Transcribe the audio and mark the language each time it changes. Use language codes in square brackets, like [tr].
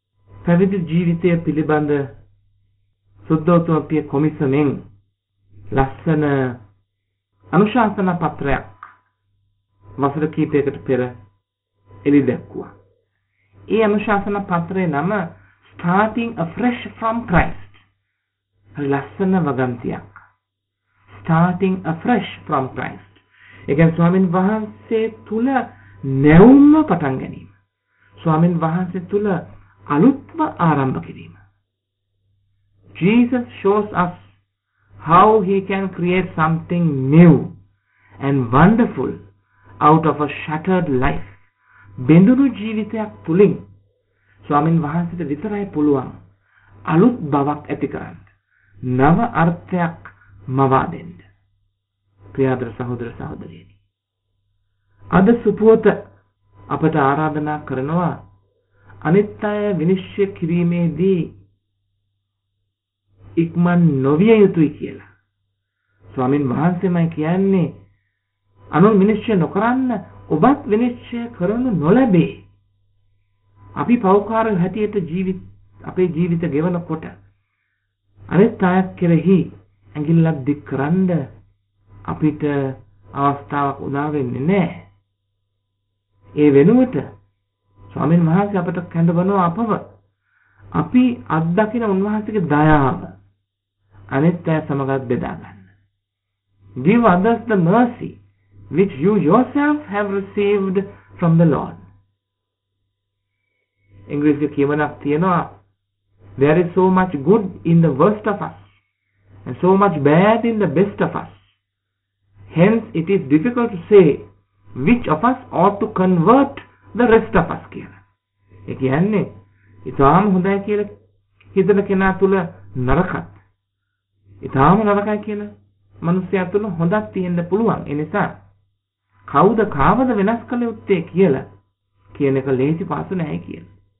[si] පැවිදි ජීවිතය පිළිබඳ සුද්ධෝත්තමපිය කොමිසමෙන් ලස්සන අනුශාසන පත්‍රයක් වසර කීපයකට පෙර එළි දැක්වුවා. ඒ අනුශාසන පත්‍රයේ නම [en] Starting afresh from Christ. [si] ලස්සන වගන්තියක්. [en] Starting afresh from Christ. [si] එකෙන් ස්වාමීන් වහන්සේ තුල නැවුම්ම පටන් ගැනීම. ස්වාමීන් වහන්සේ තුල අලුත්ම ආරම්භ කිරීම. [en] Jesus shows us how he can create something new and wonderful out of a shattered life. [si] බිඳුනු ජීවිතයක් තුලින් ස්වාමීන් වහන්සේට විතරයි පුළුවන් අලුත් බවක් ඇති කරන්න, නව අර්ථයක් මවා දෙන්න. ප්‍රියදර සහෝදර සහෝදරියනි, අද සුපුවත අපට ආරාධනා කරනවා අනිත් අය විනිශ්චය කිරීමේදී ඉක්මන් නොවිය යුතුයි කියලා. ස්වාමීන් වහන්සේමයි කියන්නේ අනුන් විනිශ්චය නොකරන්න, ඔබත් විනිශ්චය කරනු නොලැබේ. අපි පෞකාර හැටියට ජීවිත අපේ ජීවිත ගෙවනකොට අනිත් අය කෙරෙහි ඇඟිල්ලක් දික් කරන්න අපිට අවස්ථාවක් උදා වෙන්නේ නැහැ. ඒ වෙනුවට ස්වාමීන් වහන්සේ අපට කැඳවනවා, අපව අපි අත්දකින උන්වහන්සේගේ දයාව අනිත් අය සමගත් බෙදා ගන්න. [en] Give others the mercy which you yourself have received from the Lord. [si] ඉංග්‍රීසි කියවනක් තියෙනවා, [en] There is so much good in the worst of us and so much bad in the best of us. Hence it is difficult to say which of us ought to convert the rest of us [si] කියලා. ඒ කියන්නේ ඉතාම හොඳයි කියලා හිතන කෙනා තුළ නරකත්, ඉතාම නරකයි කියලා මිනිස්යා තුළ හොඳක් තියෙන්න පුළුවන්. ඒ නිසා කවුද කාවද වෙනස් කළ යුත්තේ කියලා කියන එක ලේසි පාසු නැහැ කියලා.